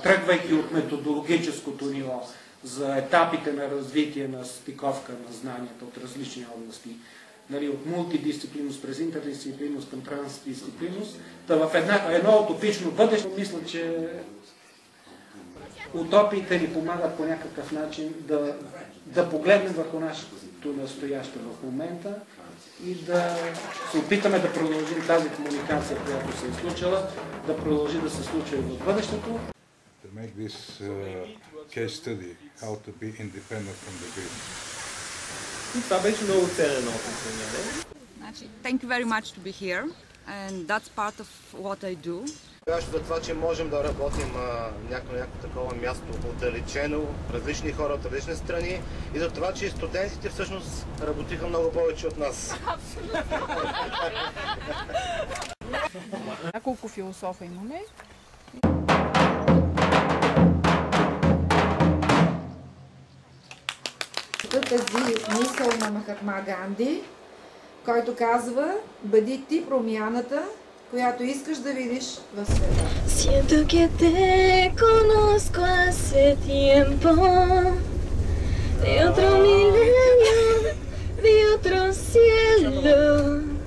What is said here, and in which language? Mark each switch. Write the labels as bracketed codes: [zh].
[bg] Тръгвайки от методологическото ниво за етапите на развитие на стиковка на знанията от различни области, нали, от мултидисциплинност през интердисциплинност към трансдисциплинност, та в едно утопично бъдеще мисля, че утопиите ни помагат по някакъв начин да погледнем върху нашето настояще в момента и да се опитаме да продължим тази комуникация, която се е случила, да продължи да се случва и в бъдещето. [en] To make this case study how to be independent from the grid. [bg] Това беше много ценен опит. [en] Значи, thank you very much to be here and that's part of what I do. [bg] Това, това, че можем да работим някакво такова място отдалечено, различни хора от различни страни и за това, че студентите всъщност работиха много повече от нас. Абсолютно! Няколко философа имаме. Тази мисъл на Махатма Ганди, който казва: бъди ти промяната, която искаш да видиш в света. [es] Siento que te conozco hace tiempo, de otro milenio, de otro cielo.